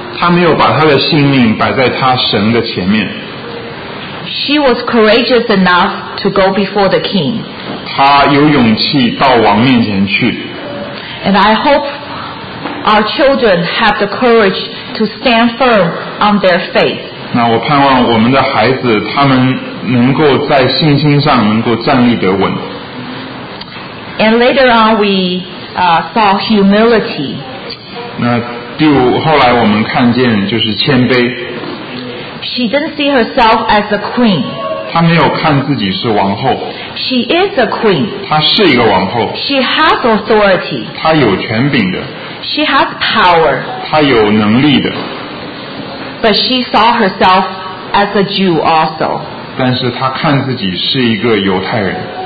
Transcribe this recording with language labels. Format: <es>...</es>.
<zh>她没有把她的性命摆在她神的前面。</zh> <en>She was courageous enough to go before the king.</en> <zh>她有勇气到王面前去。</zh> <en>And I hope our children have the courage to stand firm on their faith.</en> <zh>那我盼望我们的孩子他们能够在信心上能够站立得稳。</zh> <en>And later on we saw humility.</en> <zh>那第五后来我们看见就是谦卑。</zh> <en>She didn't see herself as a queen.</en> <zh>她没有看自己是王后。</zh> <en>She is a queen.</en> <zh>她是一个王后。</zh> <en>She has authority.</en> <zh>她有权柄的。</zh> <en>She has power.</en> <zh>她有能力的。</zh> <en>But she saw herself as a Jew also.</en> <zh>但是她看自己是一个犹太人。</zh>